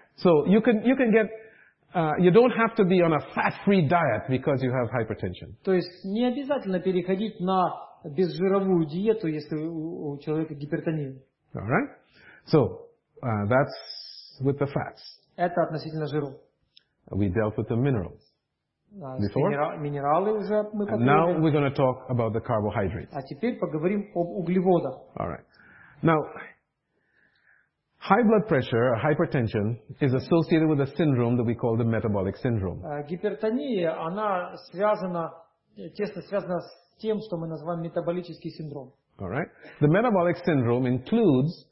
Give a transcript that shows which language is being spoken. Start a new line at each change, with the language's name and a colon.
English: So you can get you don't have to be on a fat-free diet because you have hypertension.
Russian: То есть не обязательно переходить на безжировую диету, если у человека гипертония.
English: All right. So that's with the fats.
Russian: Это относительно жиров.
English: We dealt with the minerals. Before.
Russian: Минералы уже мы поговорили.
English: And now we're going to talk about the carbohydrates.
Russian: А теперь поговорим об углеводах.
English: All right. Now, high blood pressure, or hypertension, is associated with a syndrome that we call the metabolic syndrome.
Russian: Гипертония, она связана, тесно связана с тем, что мы называем метаболический синдром.
English: All right. The metabolic syndrome includes